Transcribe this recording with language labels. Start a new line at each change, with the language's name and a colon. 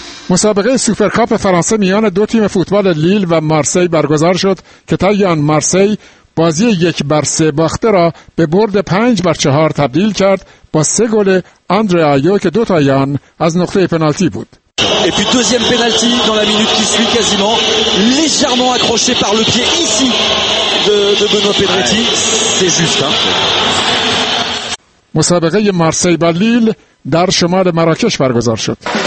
Persian: مسابقه سوپرکاپ فرانسه میان دو تیم فوتبال لیل و مارسی برگزار شد که تایان مارسی بازی 1-3 باخته را به برد 5-4 تبدیل کرد با 3 گل آندره آیو که دو تایان از نقطه پنالتی بود.
French: Et puis deuxième penalty dans la minute qui suit quasiment légèrement accroché par le pied ici de Benoît Pedretti, c'est juste hein.
Persian: مسابقه مارسی با لیل در شمال مراکش برگزار شد.